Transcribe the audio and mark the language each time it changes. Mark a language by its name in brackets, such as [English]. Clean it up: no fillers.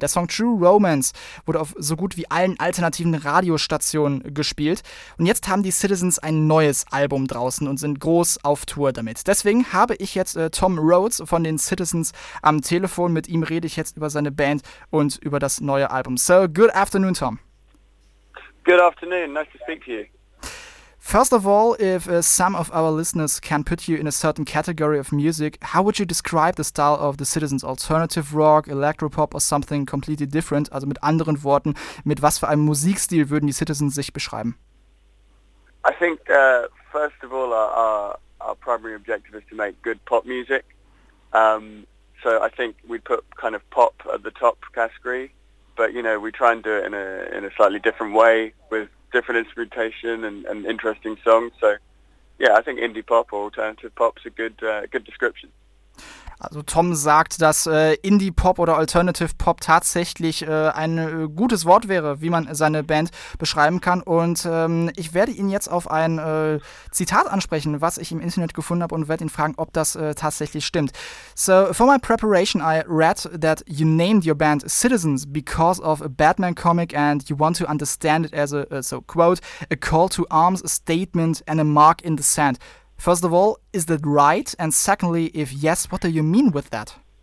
[German] Der Song True Romance wurde auf so gut wie allen alternativen Radiostationen gespielt. Und jetzt haben die Citizens ein neues Album draußen und sind groß auf Tour damit. Deswegen habe ich jetzt Tom Rhodes von den Citizens am Telefon, mit ihm rede ich jetzt über seine Band und über das neue Album. [English] So, good afternoon, Tom. Good afternoon, nice to speak to you. First of all, if some of our listeners can put you in a certain category of music, how would you describe the style of the Citizens? Alternative Rock, Electropop or something completely different? [German] Also mit anderen Worten, mit was für einem Musikstil würden die Citizens sich beschreiben? [English] I think, first of all, our primary objective is to make good pop music. So I think we put kind of pop at the top category, but you know, we try and do it in a slightly different way with different instrumentation and interesting songs. So yeah, I think indie pop or alternative pop is a good description. [German] Also Tom sagt, dass Indie-Pop oder Alternative-Pop tatsächlich ein gutes Wort wäre, wie man seine Band beschreiben kann. Und ich werde ihn jetzt auf ein Zitat ansprechen, was ich im Internet gefunden habe, und werde ihn fragen, ob das tatsächlich stimmt. [English] So, for my preparation, I read that you named your band Citizens because of a Batman comic and you want to understand it as quote, a call to arms, a statement and a mark in the sand. First of all, is that right? And secondly, if yes, what do you mean with that?